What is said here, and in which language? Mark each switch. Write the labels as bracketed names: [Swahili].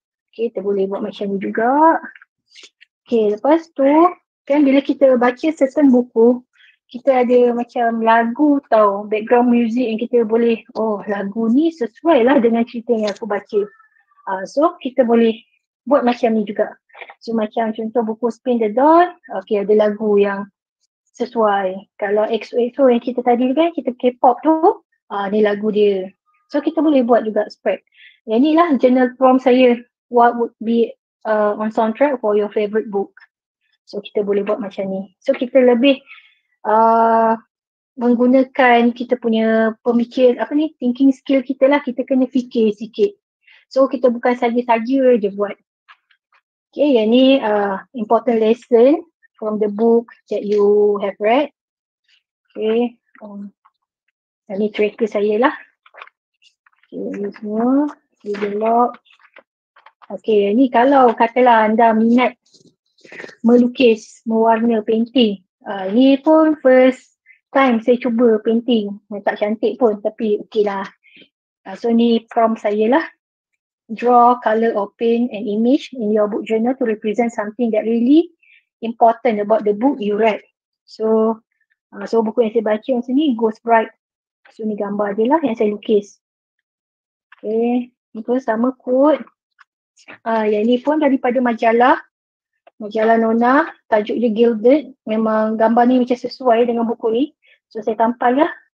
[Malay] Okay, kita boleh buat macam ni juga. Okay, lepas tu kan bila kita baca certain buku, kita ada macam lagu tau, background music yang kita boleh, oh lagu ni sesuai lah dengan cerita yang aku baca. So kita boleh buat macam ni juga. So macam contoh buku Spin the Dawn, okay, ada lagu yang sesuai. Kalau XOXO yang kita tadi kan, kita K-pop tu, ni lagu dia. So kita boleh buat juga spread. Yang ni lah [English] journal prompt [Malay] saya, [English] what would be on soundtrack for your favorite book. [Malay] So kita boleh buat macam ni. So kita lebih menggunakan kita punya pemikir, apa ni, thinking skill kita lah. Kita kena fikir sikit. So kita bukan saja-saja je buat. [English] Okay, [Malay] yang ni [English] important lesson from the book that you have read. [Malay] Okay, yang ni tracker saya lah. Okay, ni semua develop. Okay, yang ni kalau katalah anda minat melukis, mewarna, painting. Ni pun first time saya cuba painting. Tak cantik pun, tapi okey lah. So ni prompt saya lah. [English] Draw, colour or paint an image in your book journal to represent something that really important about the book you read. [Malay] So so buku yang saya baca yang sini, Ghostwrite. So ni gambar dia lah yang saya lukis. Okay, ni pun sama quote. Yang ni pun daripada majalah Nona, tajuk dia Gilded. Memang gambar ni macam sesuai dengan buku ni. So saya tampal lah.